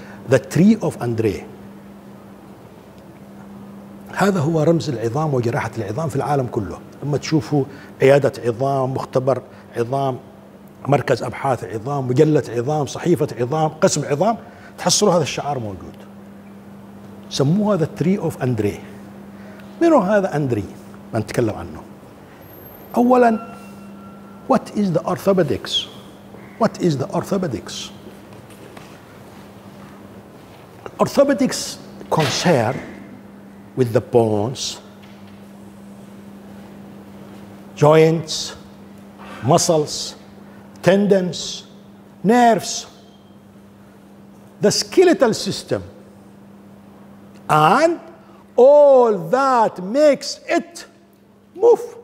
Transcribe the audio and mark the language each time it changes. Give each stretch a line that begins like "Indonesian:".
Arabic: The tree of Andre، هذا هو رمز العظام وجراحة العظام في العالم كله. لما تشوفوا عيادة عظام، مختبر عظام، مركز أبحاث عظام، مجلة عظام، صحيفة عظام، قسم عظام، تحصلوا هذا الشعار موجود. سموه هذا tree of Andre. من هو هذا أندري؟ ما نتكلم عنه. أولا،
English: what is the orthopedics؟ what is the orthopedics؟ orthopedics concern with the bones, joints, muscles, tendons, nerves, the skeletal system, and all that makes it move.